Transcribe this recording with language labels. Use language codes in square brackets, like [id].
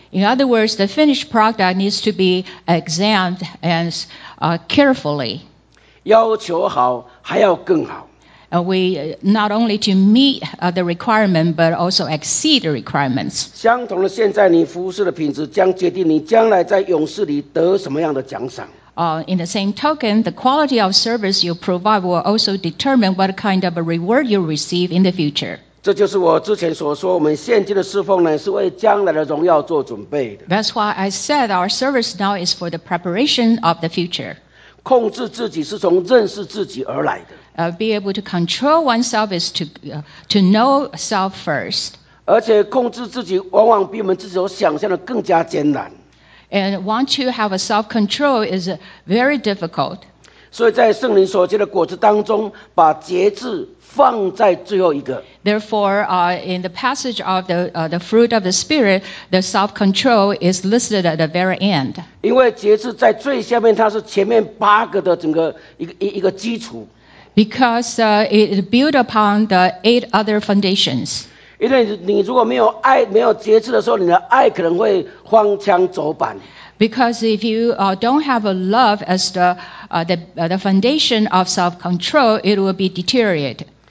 [en] In other words, the finished product needs to be examined and carefully. [zh] 要求好，还要更好。 [en] We not only to meet the requirement, but also exceed the requirements. [zh] 相同的，现在你服事的品质将决定你将来在勇士里得什么样的奖赏。 [en] In the same token, the quality of service you provide will also determine what kind of a reward you receive in the future. [zh] 这就是我之前所说，我们现今的侍奉呢，是为将来的荣耀做准备的。 [en] That's why I said our service now is for the preparation of the future. [zh] 控制自己是从认识自己而来的。 [en] Be able to control oneself is to know self first. [zh] 而且控制自己往往比我们自己所想象的更加艰难。 [en] And want to have a self-control is very difficult. [zh] 所以在圣灵所结的果子当中，把节制放在最后一个。 [en] Therefore, in the passage of the fruit of the Spirit, the self-control is listed at the very end. [zh] 因为节制在最下面，它是前面八个的整个一个基础。 [en] Because it built upon the eight other foundations. [zh] 因为你如果没有爱，没有节制的时候，你的爱可能会荒腔走板。 [en] Because if you don't have a love as the foundation of self-control, it will be deteriorated.